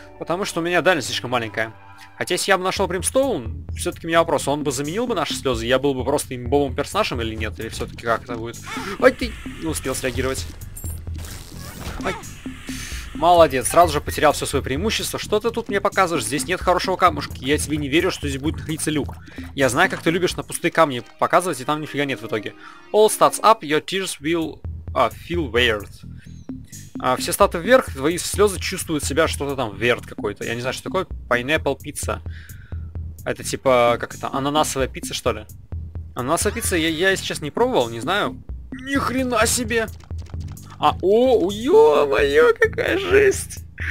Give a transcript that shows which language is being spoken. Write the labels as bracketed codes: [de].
[ru] Потому что у меня дальность слишком маленькая. Хотя, если я бы нашел Примстоун, все-таки у меня вопрос, он бы заменил бы наши слезы, я был бы просто имбовым персонажем или нет, или все-таки как это будет... Ой, ты не успел среагировать. Ой. Молодец, сразу же потерял все свое преимущество. Что ты тут мне показываешь? Здесь нет хорошего камушка. Я тебе не верю, что здесь будет находиться люк. Я знаю, как ты любишь на пустые камни показывать, и там нифига нет в итоге. [en] All stats up, your tears will feel weird. [ru] Все статы вверх, твои слезы чувствуют себя что-то там weird какой-то. Я не знаю, что такое. [en] Pineapple pizza. [ru] Это типа, как это, ананасовая пицца, что ли? Ананасовая пицца я сейчас не пробовал, не знаю. Ни хрена себе! А, о, ё-моё, какая жесть!